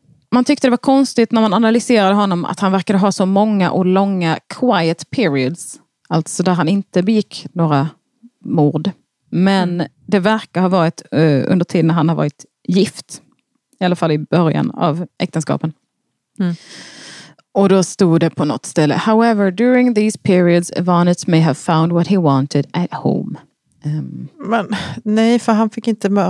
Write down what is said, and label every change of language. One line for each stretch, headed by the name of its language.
Swedish: Man tyckte det var konstigt när man analyserade honom att han verkade ha så många och långa
English: quiet periods.
Swedish: Alltså där han inte begick några mord. Men det verkar ha varit under tiden när han har varit gift. I alla fall i början av äktenskapen. Mm. Och då stod det på något ställe.
English: However, during these periods, Ivanitz may have found what he wanted at home.
Swedish: Men nej, för han fick inte